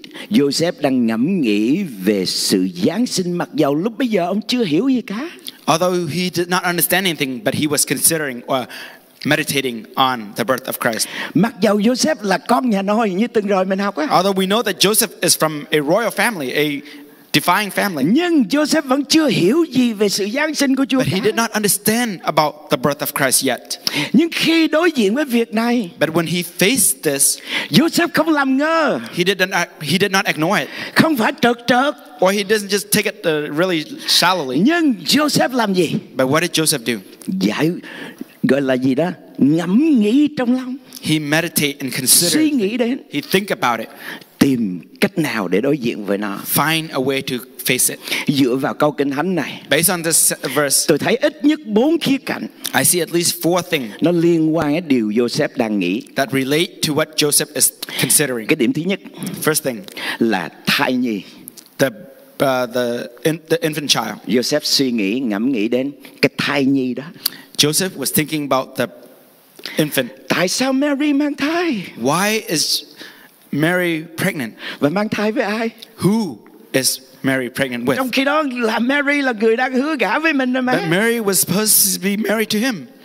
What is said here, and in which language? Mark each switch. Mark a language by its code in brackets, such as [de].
[vi] Joseph đang ngẫm nghĩ về sự Giáng sinh mặc dầu lúc bây giờ ông chưa hiểu gì cả. [en] Although he did not understand anything, but he was considering or meditating on the birth of Christ. [vi] Mặc dầu Joseph là con nhà nòi như từng rồi mình học á. [en] Although we know that Joseph is from a royal family, a defying family. [vi] Nhưng Joseph vẫn chưa hiểu gì về sự giáng sinh của Chúa. [en] But he did not understand about the birth of Christ yet. [vi] Nhưng khi đối diện với việc này, [en] but when he faced this, [vi] Joseph không làm ngơ. [en] He did not ignore it. [vi] Không phải trật trật. [en] Or he doesn't just take it really shallowly. [vi] Nhưng Joseph làm gì? [en] But what did Joseph do? [vi] Giải gọi là gì đó? Ngẫm nghĩ trong lòng. [en] He meditate and consider. [vi] Suy nghĩ đến. [en] He think about it. [vi] Tìm cách nào để đối diện với nó. [en] Find a way to face it. [vi] Dựa vào câu kinh thánh này. [en] Based on this verse. [vi] Tôi thấy ít nhất 4 khía cạnh. [en] I see at least 4 things. [vi] Nó liên quan đến điều Joseph đang nghĩ. [en] That relate to what Joseph is considering. [vi] Cái điểm thứ nhất. [en] First thing. [vi] Là thai nhi. [en] The infant child. [vi] Joseph suy nghĩ, ngẫm nghĩ đến cái thai nhi đó. [en] Joseph was thinking about the infant. [vi] Tại sao Mary mang thai? [en] Why is Mary pregnant? [vi] Và mang thai với ai? [en] Who is Mary pregnant with? [vi] Trong khi đó là Mary là người đang hứa gả với mình rồi mà. [en] But Mary was supposed to be married to him.